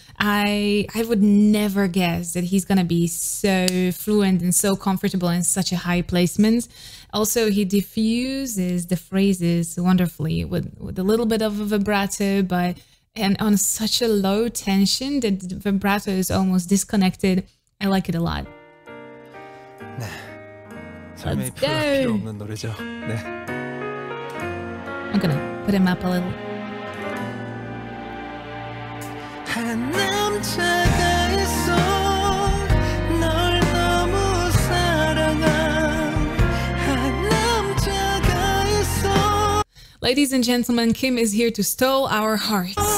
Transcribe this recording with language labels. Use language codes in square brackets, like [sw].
[en] I would never guess that he's gonna be so fluent and so comfortable in such a high placement. Also, he diffuses the phrases wonderfully with a little bit of a vibrato, but and on such a low tension that the vibrato is almost disconnected. I like it a lot. [ko] 네, 삶의 필요 없는 노래죠. 네. [en] I'm gonna put him up a little. [ko] 한 남자가 있어 널 너무 사랑한 한 남자가 있어. [en] Ladies and gentlemen, Kim is here to stole our hearts.